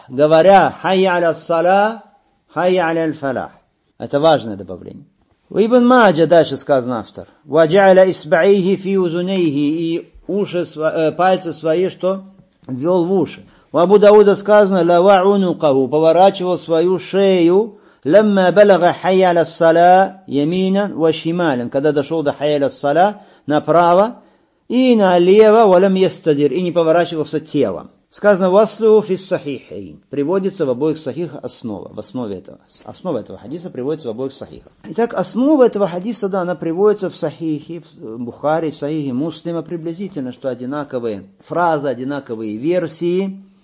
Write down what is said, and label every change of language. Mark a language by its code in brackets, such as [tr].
[ru] Говоря [ar] хайя аля салах, хайя аля фалах. [ru] Это важное добавление. У Ибн Маджа дальше сказан автор. [ar] Ваджа'ля исба'ихи фи узунейхи. [ru] И уши, пальцы свои, что? Ввел в уши. У Абу Дауда сказано, [ar] лава унукаву, [ru] поворачивал свою шею. [ar] لما بلغ حي على الصلاة يمينا وشمالا, [ru] когда дошел до [ar] حي على الصلاة, [ru] направо и налево, [ar] валям естадир, [ru] и не поворачивался телом. Сказано [ar] «васлю фис сахихей». [ru] Приводится в обоих сахихах основа. В основе этого. Основа этого хадиса приводится в обоих сахихах. Итак, основа этого хадиса, да, она приводится в сахихе, в Бухаре, в сахихе Муслима приблизительно, что одинаковые фразы, одинаковые версии.